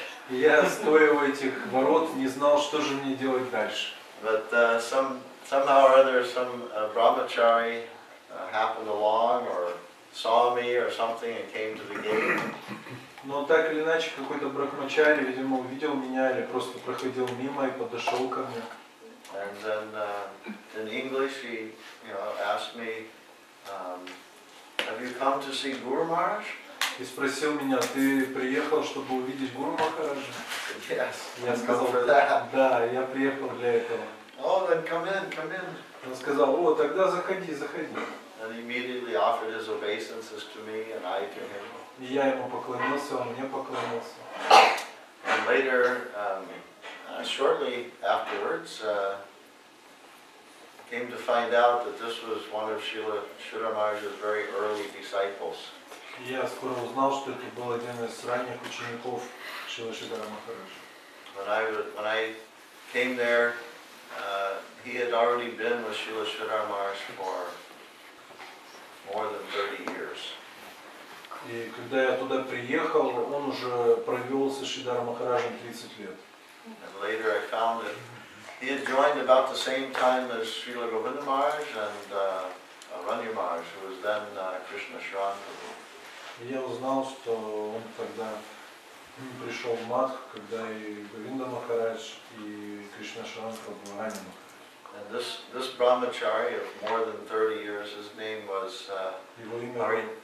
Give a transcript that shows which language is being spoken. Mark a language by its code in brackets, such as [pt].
[ru] Я, стоя у этих ворот, не знал, что же мне делать дальше. [en] But somehow or other some brahmachari happened along or saw me or something and came to the gate. [ru] Но так или иначе, какой-то брахмачари, видимо, увидел меня или просто проходил мимо и подошел ко мне. [en] And then in English he, you know, asked me, have you come to see Guru Maharaj? [ru] И спросил меня, ты приехал, чтобы увидеть Гуру Махараджа? [en] Yes. [ru] Я сказал, да, я приехал для этого. [en] Oh, then come in, come in. [ru] Он сказал: "О, тогда заходи, заходи." [en] And he immediately offered his obeisances to me, and I to him. [ru] И я ему поклонился, он мне поклонился. [en] And later, shortly afterwards, came to find out that this was one of Srila Maharaja's very early disciples. [ru] Я скоро узнал, что это был один из ранних учеников Шрилы Шридхара Махараджа. [en] When I came there, he had already been with Srila Shridhar Maharaj for more than 30 years. [ru] И когда я туда приехал, он уже провел со Шридхара Махараджем 30 лет. [en] And later I found that he had joined about the same time as Srila Govinda Maharaj and Rani Maharaj, who was then Krishna Sharan Prabhu. [ru] Я узнал, что он тогда пришел в Мадх, когда и Говинда Махарадж, и Кришна Шаранка был ранен. [en] And this brahmachari of more than 30 years, his name was Hari...